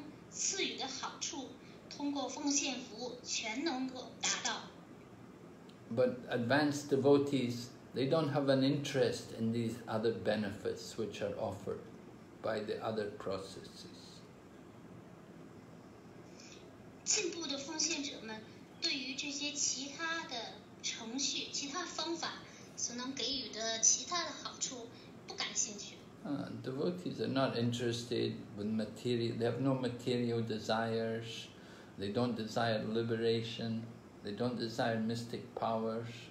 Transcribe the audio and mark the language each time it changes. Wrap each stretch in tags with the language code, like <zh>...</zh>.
<zh>赐予的好处，通过奉献服务全能够达到。</zh> <en>But advanced devotees, they don't have an interest in these other benefits which are offered by the other processes.</en> <zh>进步的奉献者们对于这些其他的程序、其他方法所能给予的其他的好处不感兴趣。</zh> <en>Devotees are not interested with material, they have no material desires, they don't desire liberation, they don't desire mystic powers.</en>